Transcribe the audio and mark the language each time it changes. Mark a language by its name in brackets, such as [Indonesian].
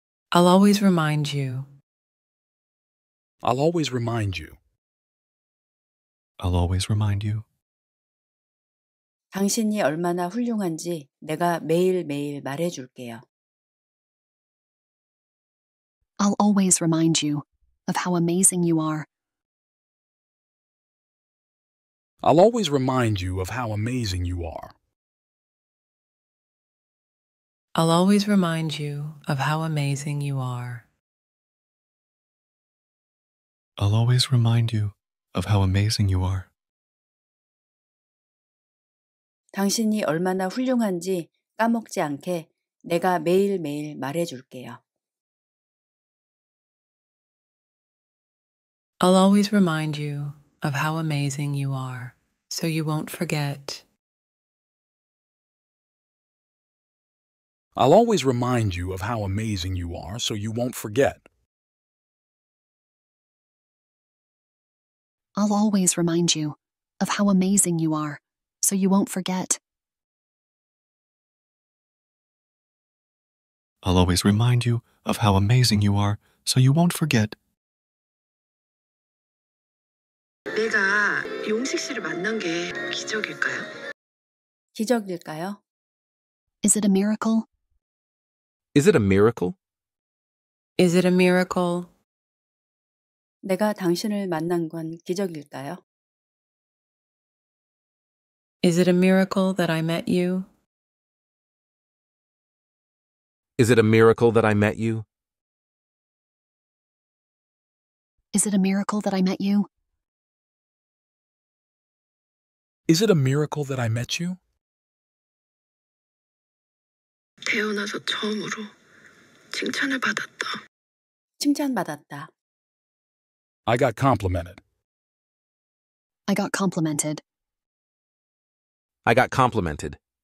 [English] I'll always remind you. I'll always remind you. I'll always remind you. [Korean] 당신이 얼마나 훌륭한지 내가 매일매일 말해줄게요. [English] I'll always remind you of how amazing you are. I'll always remind you of how amazing you are. I'll always remind you of how amazing you are. I'll always remind you of how amazing you are. [Korean] 당신이 얼마나 훌륭한지 까먹지 않게 내가 매일매일 말해줄게요. [English] I'll always remind you of how amazing you are. So you won't forget. I'll always remind you of how amazing you are, so you won't forget. I'll always remind you of how amazing you are, so you won't forget. I'll always remind you of how amazing you are, so you won't forget. [Korean] 내가 용식 씨를 만난 게 기적일까요? 기적일까요? [English] Is it a miracle? Is it a miracle? Is it a miracle? [Korean] 내가 당신을 만난 건 기적일까요? [English] Is it a miracle that I met you? Is it a miracle that I met you? Is it a miracle that I met you? Is it a miracle that I met you? [Korean] 태어나서 처음으로 칭찬을 받았다. 칭찬받았다. [English] I got complimented. I got complimented. I got complimented.